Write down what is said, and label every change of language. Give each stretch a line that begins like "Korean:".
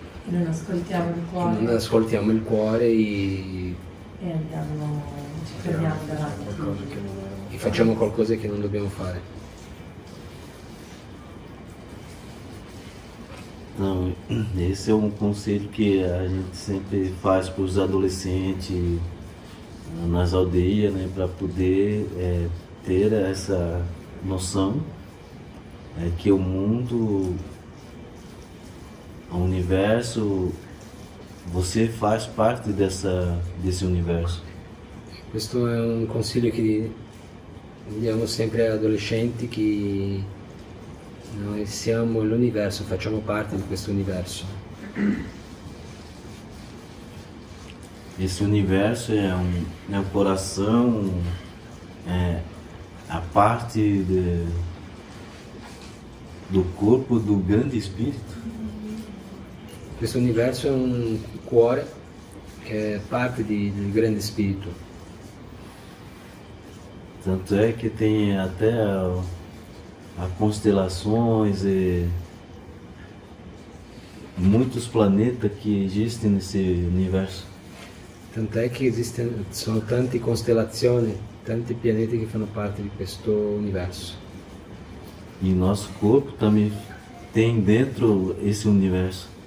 Italian: Non ascoltiamo il Non cuore. ascoltiamo il cuore E andiamo, ci fermiamo davanti. e facciamo qualcosa che non dobbiamo fare.
Portuguese: Não, esse é um conselho que a gente sempre faz para os adolescentes nas aldeias, né, para poder ter essa noção, que o mundo, o universo, você faz parte desse universo.
Italian: Questo è un consiglio che diamo sempre ai adolescenti, che noi siamo l'universo, facciamo parte di questo universo.
Portuguese: Esse universo
Italian: è un
Portuguese: coração, a parte do corpo do grande espírito.
Italian: Questo universo è un cuore che è parte del grande spirito.
Portuguese: Tanto é que tem até a constelações e muitos planetas que existem nesse universo.
Italian: Tant'è che esistono, sono tante costellazioni, tanti pianeti che fanno parte di questo universo.
Portuguese: E nosso corpo também tem dentro esse universo.